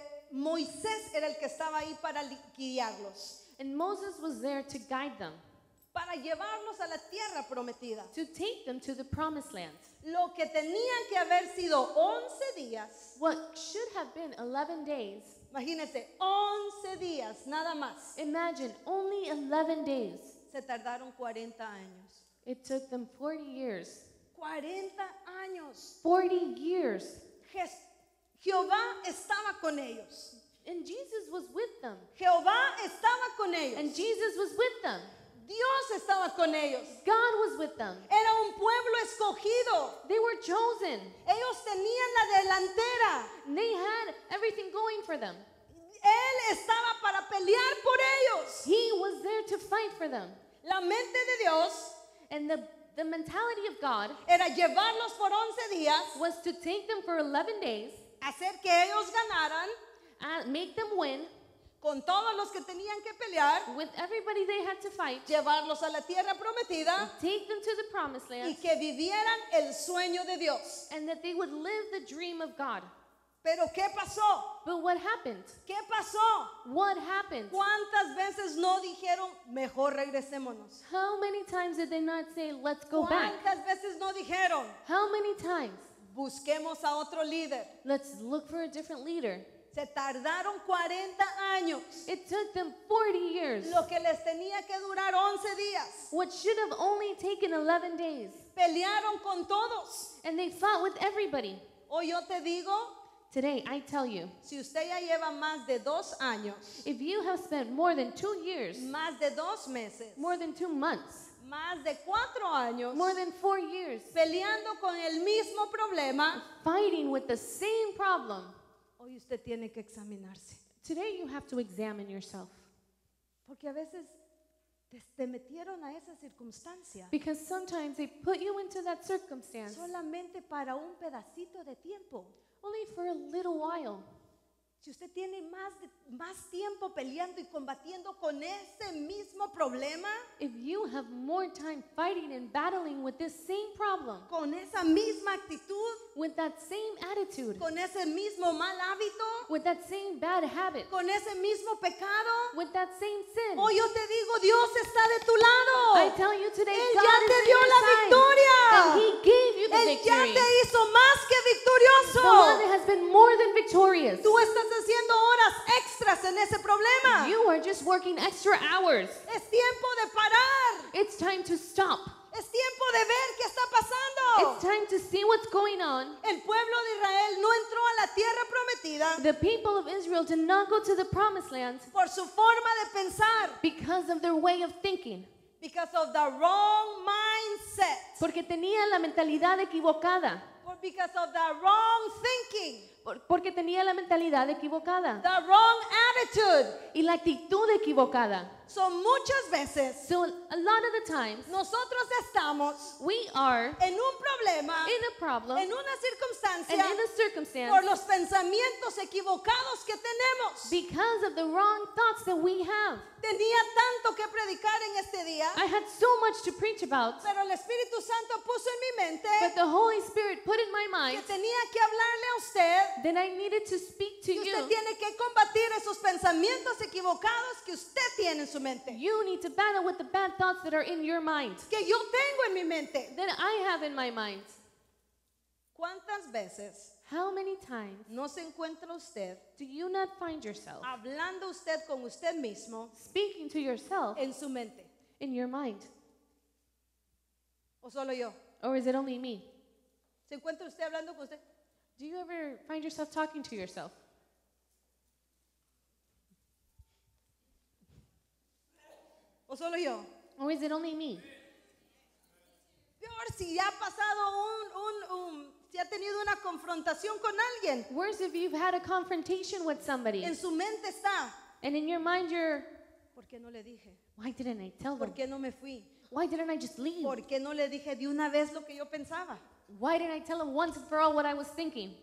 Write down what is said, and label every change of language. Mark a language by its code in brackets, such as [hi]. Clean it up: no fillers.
[es] Moisés era el que estaba ahí para guiarlos. [en] And Moses was there to guide them. [es] Para llevarlos a la tierra prometida. [en] To take them to the promised land. [es] Lo que tenían que haber sido 11 días. [en] What should have been 11 days. [es] Imagínate, 11 días, nada más. [en] Imagine, only 11 days. [es] Se tardaron 40 años. [en] It took them 40 years. [es] 40 años. [en] 40 years. [es] Jehová estaba con ellos. [en] And Jesus was with them. [es] Jehová estaba con ellos. [en] And Jesus was with them. [es] Dios estaba con ellos. [en] God was with them. [es] Era un pueblo escogido. [en] They were chosen. [es] Ellos tenían la delantera. [en] They had everything going for them. [es] Él estaba para pelear por ellos. [en] He was there to fight for them. [es] La mente de Dios. [en] And the mentality of God. [es] Era llevarlos por 11 días. [en] Was to take them for 11 days. [es] Hacer que ellos ganaran. [en] Make them win. [es] con todos los que tenían que pelear, [en] with everybody they had to fight, [es] llevarlos a la tierra prometida, [en] take them to the promised land, [es] y que vivieran el sueño de Dios, [en] and that they would live the dream of God. [es] Pero ¿qué pasó? [en] But what happened? [es] ¿Qué pasó? [en] What happened? [es] ¿Cuántas veces no dijeron, mejor regresémonos? [en] How many times did they not say, let's go [es] ¿Cuántas ¿Cuántas veces no dijeron? [en] How many times? [es] Busquemos a otro líder. [en] Let's look for a different leader. [es] Se tardaron 40 años. [en] It took them 40 years. [es] Lo que les tenía que durar 11 días. [en] What should have only taken 11 days. [es] Pelearon con todos. [en] And they fought with everybody. [es] Hoy yo te digo, [en] today, I tell you, [es] si usted ya lleva más de dos años, [en] if you have spent more than 2 years, [es] más de dos meses, [en] more than 2 months, [es] más de 4 años, [en] more than 4 years, [es] peleando con el mismo problema, [en] fighting with the same problem, [es] hoy usted tiene que examinarse. [en] Today you have to examine yourself. [es] Porque a veces te metieron a esa circunstancia. [en] Because sometimes they put you into that circumstance. [es] Solamente para un pedacito de tiempo. [en] Only for a little while. [es] Si usted tiene más tiempo peleando y combatiendo con ese mismo problema, [en] if you have more time fighting and battling with this same problem, [es] con esa misma actitud, [en] with that same attitude, [es] con ese mismo mal hábito, [en] with that same bad habit, [es] con ese mismo pecado, [en] with that same sin, [es] hoy yo te digo, Dios está de tu lado. [en] I tell you today, [es] Él [en] God [es] ya te dio la victoria. [en] And He gave you the [es] Él [en] victory. [es] Ya te hizo más que victorioso. [en] The one has been more than victorious. [es] Tú estás haciendo horas extras en ese problema. [en] You are just working extra hours. [es] Es tiempo de parar. [en] It's time to stop. [es] Es tiempo de ver qué está pasando. [en] It's time to see what's going on. [es] El pueblo de Israel no entró a la tierra prometida. [en] The people of Israel did not go to the promised land. [es] Por su forma de pensar. [en] Because of their way of thinking. Because of the wrong mindset. [es] Porque tenían la mentalidad equivocada. [en] Because of the wrong thinking. [es] Porque tenía la mentalidad equivocada. [en] The wrong attitude. [es] Y la actitud equivocada. So muchas veces, [en] so a lot of the times, [es] nosotros estamos, [en] we are, [es] en un problema, [en] in a problem, [es] en una circunstancia, [en] and in a circumstance, [es] por los pensamientos equivocados que tenemos. [en] Because of the wrong thoughts that we have. [es] Tenía tanto que predicar en este día. [en] I had so much to preach about. [es] Pero el Espíritu Santo puso en mi mente, [en] but the Holy Spirit put in my mind, [es] que tenía que hablarle a usted, [en] then I needed to speak to you. [es] Y usted tiene que combatir esos pensamientos equivocados que usted tiene. [en] You need to battle with the bad thoughts that are in your mind. [es] Que yo tengo en mi mente. [en] That I have in my mind. [es] ¿Cuántas veces? [en] How many times? [es] No se encuentra usted. [en] Do you not find yourself? [es] Hablando usted con usted mismo. [en] Speaking to yourself. [es] En su mente. [en] In your mind. [es] ¿O solo yo? [en] Or is it only me? [es] ¿Se encuentra usted hablando con usted? [en] Do you ever find yourself talking to yourself? [es] ¿O solo yo? [en] Or is it only me? [es] Peor si ha pasado si ha tenido una confrontación con alguien. [en] Worse if you've had a confrontation with somebody. [es] En su mente está. [en] And in your mind you're. [es] ¿Por qué no le dije? [en] Why didn't I tell them? [es] ¿Por qué no me fui? [en] Why didn't I just leave? [es] ¿Por qué no le dije de una vez lo que yo pensaba? [en] Why didn't I tell him once and for all what I was thinking?